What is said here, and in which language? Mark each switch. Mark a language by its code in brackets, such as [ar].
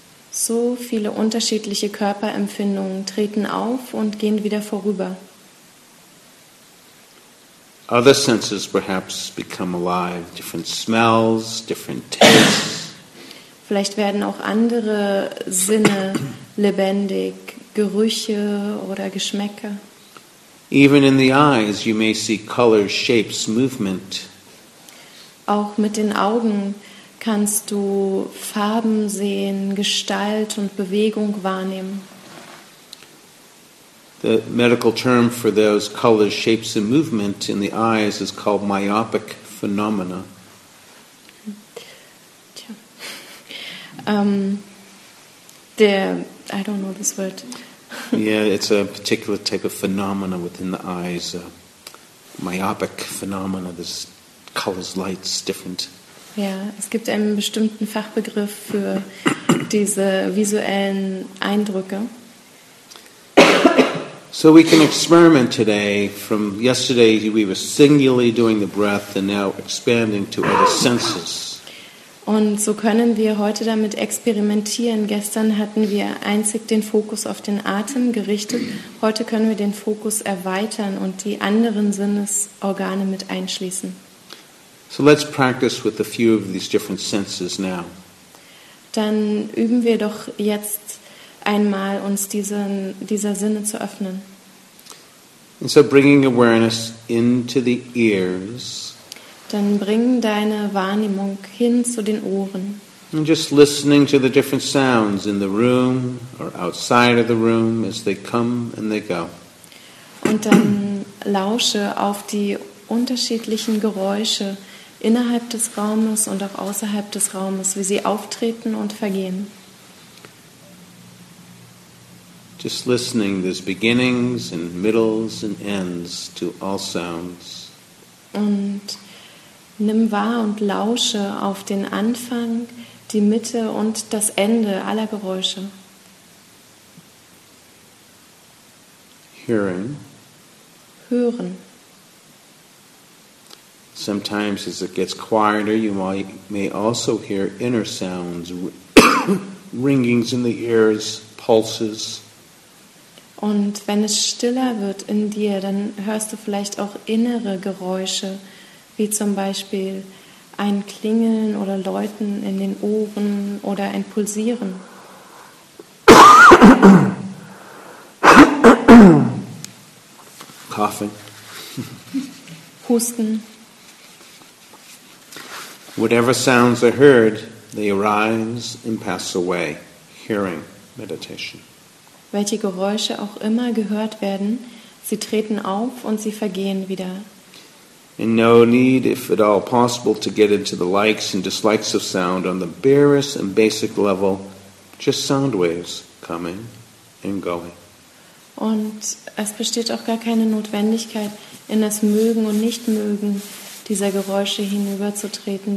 [de] So viele unterschiedliche Körperempfindungen treten auf und gehen wieder vorüber. [en] Other senses perhaps become alive, different smells, different tastes. [de] Vielleicht werden auch andere Sinne lebendig, Gerüche oder Geschmäcker. [en] Even in the eyes you may see colors, shapes, movement. [de] Auch mit den Augen kannst du Farben sehen, Gestalt und Bewegung wahrnehmen. [en] The medical term for those colors, shapes and movement in the eyes is called myopic phenomena. I don't know this word. Yeah, it's a particular type of phenomena within the eyes. Myopic phenomena, this colors, lights, different. [de] Ja, es gibt einen bestimmten Fachbegriff für diese visuellen Eindrücke. [en] So we can experiment today. From yesterday we were singularly doing the breath and now expanding to other senses. [de] Und so können wir heute damit experimentieren. Gestern hatten wir einzig den Fokus auf den Atem gerichtet. Heute können wir den Fokus erweitern und die anderen Sinnesorgane mit einschließen. [en] So let's practice with a few of these different senses now. [de] Dann üben wir doch jetzt einmal, uns dieser Sinne zu öffnen. [en] And so bringing awareness into the ears. [de] Dann bring deine Wahrnehmung hin zu den Ohren. [en] And just listening to the different sounds in the room or outside of the room as they come and they go. [de] Und dann lausche auf die unterschiedlichen Geräusche innerhalb des Raumes und auch außerhalb des Raumes, wie sie auftreten und vergehen. [en] Just listening, there's beginnings and middles and ends to all sounds. [de] Und nimm wahr und lausche auf den Anfang, die Mitte und das Ende aller Geräusche. [en] Hearing. [de] Hören. [en] Sometimes as it gets quieter, you may also hear inner sounds, ringings in the ears, pulses. [de] Und wenn es stiller wird in dir, dann hörst du vielleicht auch innere Geräusche, wie zum Beispiel ein Klingeln oder Läuten in den Ohren oder ein Pulsieren. [en] Coughing. [de] Husten. [en] Whatever sounds are heard, they arise and pass away. Hearing meditation. [de] Welche Geräusche auch immer gehört werden, sie treten auf und sie vergehen wieder. [en] and no need, if at all possible, to get into the likes and dislikes of sound on the barest and basic level, just sound waves coming and going. [de] Und es besteht auch gar keine Notwendigkeit, in das Mögen und Nichtmögen dieser Geräusche hinüberzutreten.